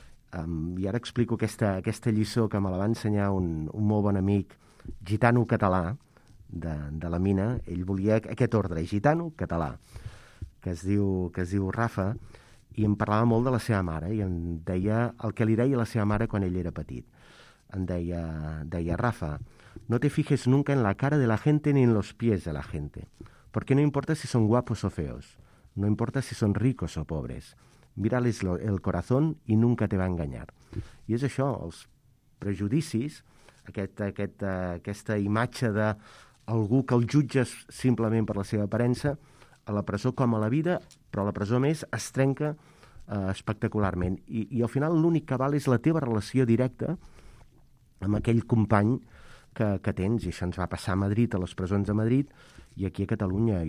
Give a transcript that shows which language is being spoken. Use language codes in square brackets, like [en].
[ca] I ara explico aquesta lliçó que me la va ensenyar un molt bon amic gitano català de la mina. Ell volia aquest ordre, gitano català, que es diu Rafa, i em parlava molt de la seva mare, i em deia el que li deia la seva mare quan ell era petit. Em deia [es] Rafa, no te fijes nunca en la cara de la gente ni en los pies de la gente, porque no importa si son guapos o feos, no importa si son ricos o pobres, mira-les el corazón y nunca te va a engañar. [ca] I és això, els prejudicis, aquesta imatge d'algú que el jutges simplement per la seva aparença, a la presó com a la vida, però a la presó més, es trenca espectacularment. I al final l'únic que val és la teva relació directa amb aquell company que tens, i això ens va passar a Madrid, a les presons de Madrid, i aquí a Catalunya.